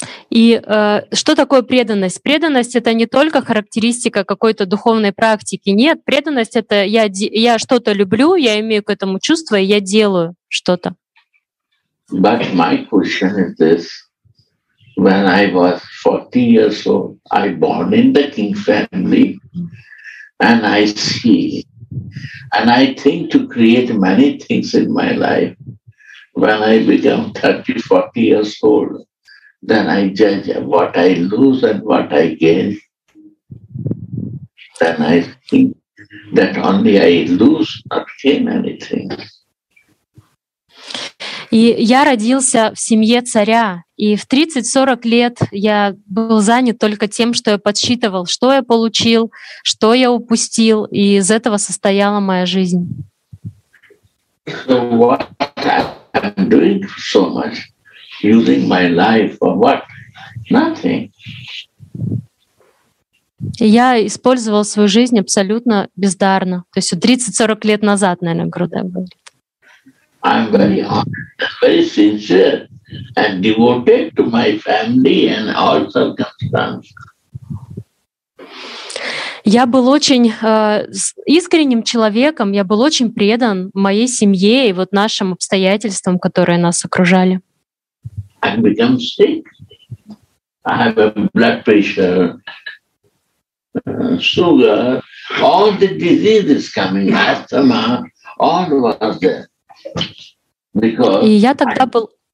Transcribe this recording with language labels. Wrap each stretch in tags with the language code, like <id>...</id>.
<ru>И что такое преданность? Преданность — это не только характеристика какой-то духовной практики. Нет, преданность — это я что-то люблю, я имею к этому чувство, и я делаю что-то.</ru> <en>But my question is this. When I was 40 years old, I born in the king family, and I see, and I think to create many things in my life. When I become 30, 40 years old, then I judge what I lose and what I gain. Then I think that only I lose, not gain anything.</en> <ru>И я родился в семье царя, и в 30-40 лет я был занят только тем, что я подсчитывал, что я получил, что я упустил, и из этого состояла моя жизнь.</ru> <en>So what I'm doing so much, using my life for what? Nothing.</en> <ru>Я использовал свою жизнь абсолютно бездарно. То есть 30-40 лет назад, наверное, Груда был.</ru> <en>I'm very honest, very sincere and devoted to my family and all circumstances.</en> <ru>Я был очень искренним человеком, я был очень предан моей семье и вот нашим обстоятельствам, которые нас окружали.</ru> <en>I've become sick. I have a blood pressure, sugar, all the diseases coming, asthma, all was there.</en> <ru>И я тогда был.</ru>